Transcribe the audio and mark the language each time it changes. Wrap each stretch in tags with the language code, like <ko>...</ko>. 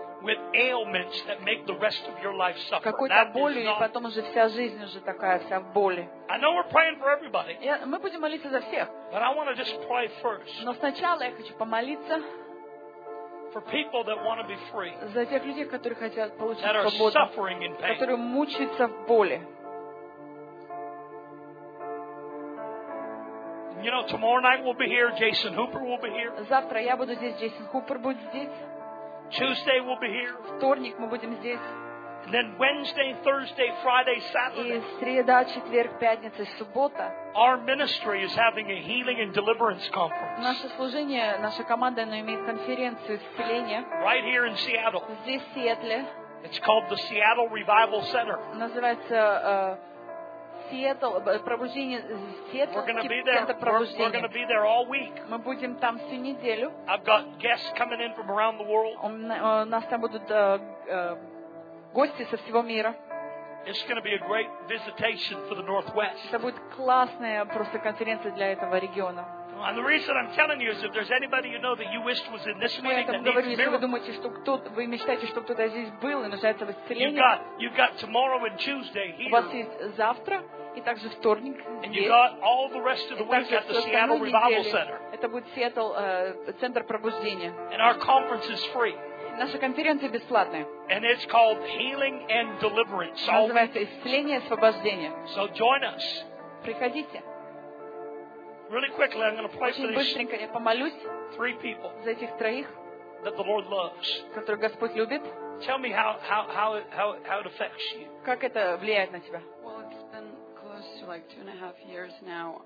<en>With ailments that make the rest of your life suffer.</en> <ru>Какой-то болью, и потом уже вся жизнь уже такая вся в боли.</ru> <en>I know we're praying for everybody.</en> <ru>Мы будем молиться за всех.</ru> <en>But I want to just pray first.</en> <ru>Но сначала я хочу помолиться.</ru> <en>For people that want to be free.</en> <ru>За тех людей, которые хотят получить свободу.</ru> <en>That are suffering in pain.</en> <ru>Которые мучаются в боли.</ru> <en>You know, tomorrow night we'll be here. Jason Hooper will be here.</en> <ru>Завтра я буду здесь. Джейсон Хупер будет здесь.</ru> <en>Tuesday we'll be here.</en> <ru>Вторник мы будем здесь.</ru> <en>And then Wednesday, Thursday, Friday, Saturday.</en> <ru>И среда, четверг, пятница, суббота.</ru> <en>Our ministry is having a healing and deliverance conference.</en> <ru>Наше служение, наша команда, она имеет конференцию исцеления.</ru> <en>Right here in Seattle.</en> <ru>Здесь, в Сиэтле.</ru> <en>It's called the Seattle Revival Center.</en> <ru>Называется Seattle пробуждение Seattle.</ru> <en>We're going to be there. We're going to be there all week.</en> <ru>Мы будем там всю неделю.</ru> <en>I've got guests coming in from around the world.</en> <ru>У нас там будут гости со всего мира.</ru> <en>It's going to be a great visitation for the Northwest.</en> <ru>Это будет классная просто конференция для этого региона.</ru> <en>And the reason I'm telling you is if there's anybody you know that you wished was in this meeting that needs miracles.</en> <ru>Если вы думаете, что кто-то, вы мечтаете, чтобы кто-то здесь был и нуждается в исцелении.</ru> <en>You've got tomorrow and Tuesday here.</en> <ru>У вас есть завтра и также вторник здесь.</ru> <en>And you got all the rest of the week at the Seattle Revival Center.</en> <ru>Это будет Seattle центр пробуждения.</ru> <en>And our conference is free.</en> <ru>наша конференция бесплатная.</ru> <en>And it's called Healing and Deliverance.</en> <ru>Называется исцеление и освобождение.</ru> <en>So join us.</en> <ru>Приходите.</ru> <en>Really quickly, I'm going to pray for these.</en> <ru>Быстренько я помолюсь.</ru> <en>Three people.</en> <ru>За этих троих.</ru> <en>That the Lord loves.</en> <ru>Которых Господь любит.</ru> <en>Tell me how it affects you.</en> <ru>Как это влияет на тебя?</ru> <en>Well, it's been close to like 2.5 years now.</en>